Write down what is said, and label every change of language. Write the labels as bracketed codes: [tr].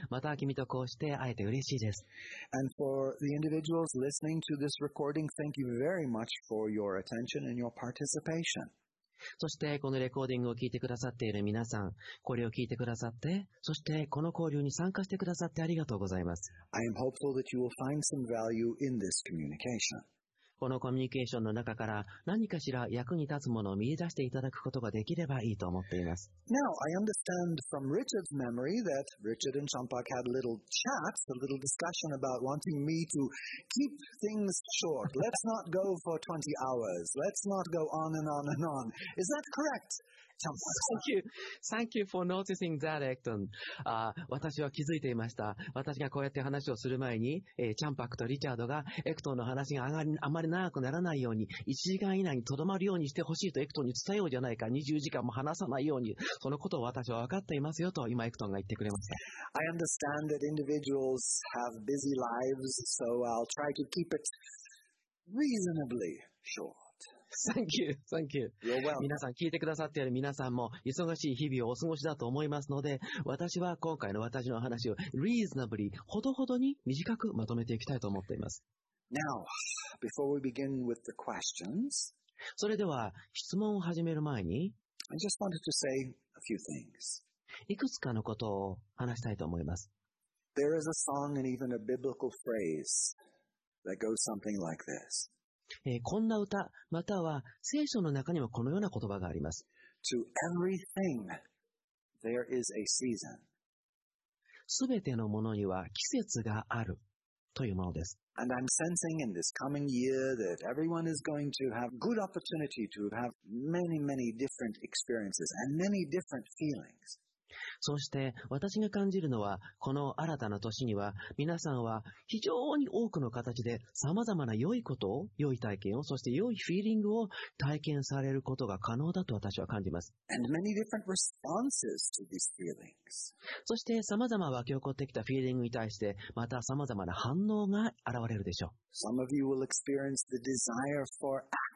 [ja] また君とこうして会えて嬉しいです。 [en] And for the individuals listening to this recording, thank you very much for your attention and your participation. [ja] そしてこのレコーディングを聞いてくださっている皆さん、これを聞いてくださって、そしてこの交流に参加してくださってありがとうございます。 [en] I am hopeful that you will find some value in this communication. [ja] このコミュニケーションの中から何かしら役に立つものを見出していただくことができればいいと思っています。 [en] Now, I understand from Richard's memory that Richard and Champak had a little chat, a little discussion about wanting me to keep things short. Let's not go for 20 hours. Let's not go on and on and on. Is that correct? Thank you for noticing that, Ekton. [ja] 私は気づいていました。私がこうやって話をする前に、チャンパクとリチャードがエクトンの話が あまり長くならないように、1時間以内にとどまるようにしてほしいとエクトンに伝えようじゃないか、20時間も話さないように、そのことを私は分かっていますよと今エクトンが言ってくれました。 [en] I understand that individuals have busy lives, so I'll try to keep it reasonably short. Thank you. You're welcome. [ja] 皆さん、聞いてくださっている皆さんも忙しい日々をお過ごしだと思いますので、私は今回の私の話を reasonably ほどほどに短くまとめていきたいと思っています。 [en] Now, before we begin with the questions, [ja] それでは質問を始める前に、 [en] I just wanted to say a few things. [ja] いくつかのことを話したいと思います。 [en] There is a song and even a biblical phrase that goes something like this. [ja] こんな歌、または聖書の中にもこのような言葉があります。 [en] To everything, there is a season. [ja] すべてのものには季節があるというものです。 [en] And I'm sensing in this coming year that everyone is going to have good opportunity to have many, many different experiences and many different feelings. [ja] そして私が感じるのは、この新たな年には皆さんは非常に多くの形でさまざまな良いことを、良い体験を、そして良いフィーリングを体験されることが可能だと私は感じます。 [en] And many different responses to these feelings. [ja] そしてさまざま湧き起こってきたフィーリングに対してまたさまざまな反応が現れるでしょう。 [en] Some of you will experience the desire for action.